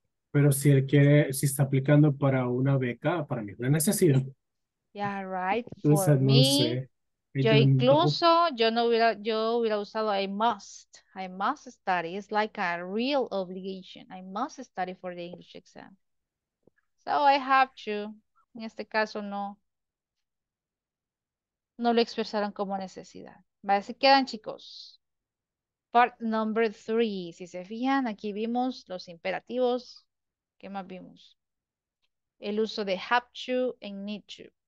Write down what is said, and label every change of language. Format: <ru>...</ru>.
<es>Pero si él quiere, si está aplicando para una beca, para mí es una necesidad.</es> <en>Yeah, right.</en> <es>Entonces,</es> <en>for me,</en> <es>no sé. Yo incluso, yo hubiera usado</es> <en>I must study, it's like a real obligation, I must study for the English exam. So I have to,</en> <es>en este caso no lo expresaron como necesidad. Vale, se quedan chicos.</es> <en>Part number 3,</en> <es>si se fijan, aquí vimos los imperativos, ¿qué más vimos? El uso de</es> <en>have to and need to.</en>